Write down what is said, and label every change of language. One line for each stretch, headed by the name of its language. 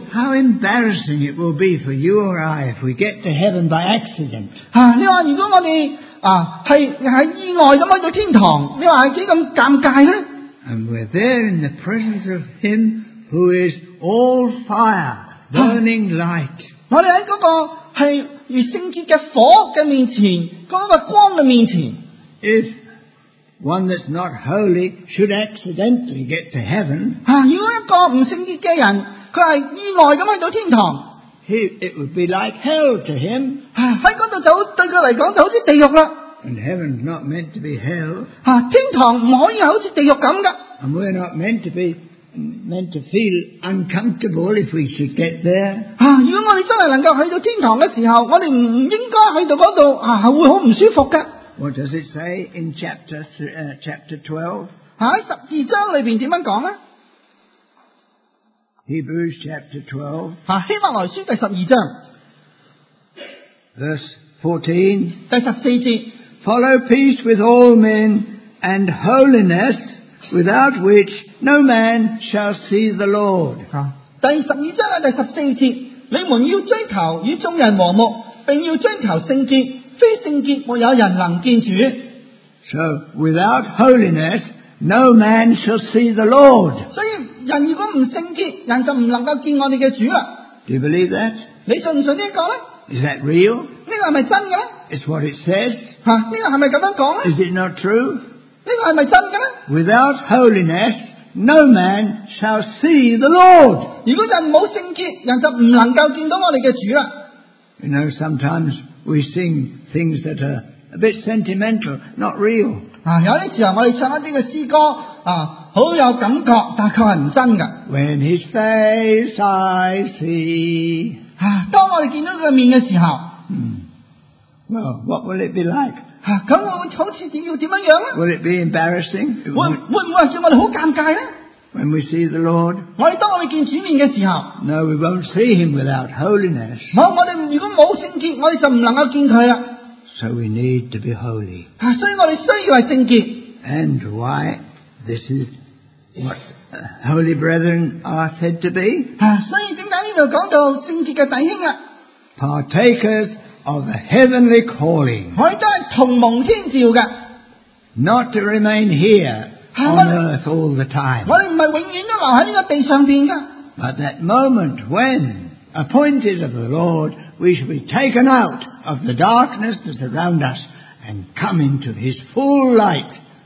English: How embarrassing it will be for you or I if we get to heaven by accident.
Chinese: 你说如果我们是意外地去到天堂，你说是多么尴尬呢?
English: And we're there in the presence of him who is all fire, burning light.
Chinese: 我们在那个是圣洁的火的面前，那个光的面前。
English: If one that's not holy should accidentally get to heaven,
Chinese: 如果一个不圣洁的人，他是意外地去到天堂。
English: It would be like hell to him.
Chinese: 在那里对他来说就好像地狱了。
English: And heaven's not meant to be hell.
Chinese: 天堂不可以像地狱那样的。
English: And we're not meant to feel uncomfortable if we should get there.
Chinese: 如果我们真的能够去到天堂的时候，我们不应该去到那里，会很不舒服的。
English: What does it say in chapter 12?
Chinese: 在12章里面怎么说呢?
English: Hebrews chapter 12.
Chinese: 希伯来书第十二章.
English: Verse 14.
Chinese: 第十四节.
English: Follow peace with all men and holiness, without which no man shall see the Lord.
Chinese: 第十二章第十四节. 你们要追求与众人和睦, 并要追求圣洁, 非圣洁, 没有人能见主.
English: So, without holiness, no man shall see the Lord.
Chinese: 所以人如果不圣洁, 人就不能够见我们的主了。
English: Do you believe that?
Chinese: 你信不信这个呢?
English: Is that real?
Chinese: 这个是不是真的呢?
English: It's what it says.
Chinese: 啊, 这个是不是这样讲呢?
English: Is it not true?
Chinese: 这个是不是真的呢?
English: Without holiness, no man shall see the Lord.
Chinese: 如果人没有圣洁, 人就不能够见到我们的主了。
English: You know, sometimes we sing things that are a bit sentimental, not real.
Chinese: 啊, 有些时候我们唱一些诗歌, 啊, 很有感觉,
English: when his face I see.
Chinese: 啊, 当我们见到他的面的时候,
English: Well, what will it be like?
Chinese: 啊, 那我们好像怎样呢?
English: Will it be embarrassing?
Chinese: 会不会是我们很尴尬呢?
English: When we see the Lord,
Chinese: 我们当我们见主面的时候,
English: no, we won't see him without holiness.
Chinese: 我们如果没有圣洁,
English: so we need to be holy.
Chinese: 啊, 所以我们需要圣洁,
English: and why this is what holy brethren are said to be?
Chinese: 啊, 所以为什么这里讲到圣洁的弟兄啊?
English: Partakers of the heavenly calling.
Chinese: 我们都是同蒙天召的,
English: not to remain here on earth all the time.
Chinese: 我们不是永远都留在这个地上边的,
English: but that moment when appointed of the Lord, we shall be taken out of the darkness that's around us and come into his full light.